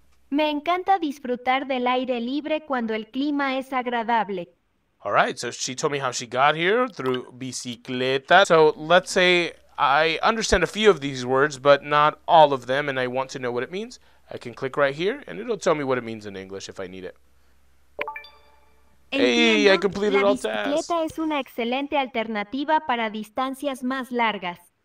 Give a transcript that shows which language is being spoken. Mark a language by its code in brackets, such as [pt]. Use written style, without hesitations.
[es] Me encanta disfrutar del aire libre cuando el clima es agradable. [en] All right, so she told me how she got here through bicicleta. So let's say I understand a few of these words, but not all of them, and I want to know what it means. I can click right here, and it'll tell me what it means in English if I need it. [es] Entiendo. [en] Hey, I completed all tasks. [es] La bicicleta es una excelente alternativa para distancias más largas.